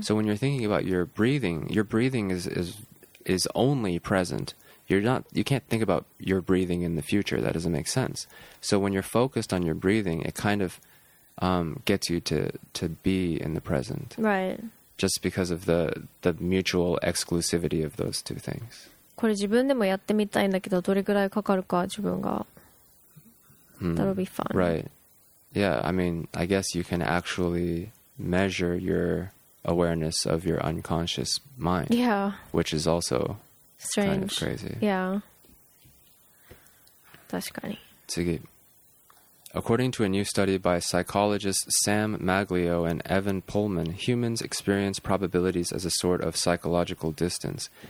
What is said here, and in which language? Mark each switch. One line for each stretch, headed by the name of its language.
English: So when you're thinking about your breathing is only present. You can't think about your breathing in the future. That doesn't make sense. So when you're focused on your breathing, it kind of gets you to be in the present. Right. Just because of the mutual exclusivity of those two things.
Japanese: これ自分でもやってみたいんだけど、どれくらいかかるか自分が。
English: That'll be fun. Right. Yeah, I mean, I guess you can actually measure your awareness of your unconscious mind. Yeah. Which is also... Strange. Kind of crazy. Yeah.
Japanese: 確かに。次。
English: According to a new study by psychologists Sam Maglio and Evan Pullman, humans experience probabilities as a sort of psychological distance.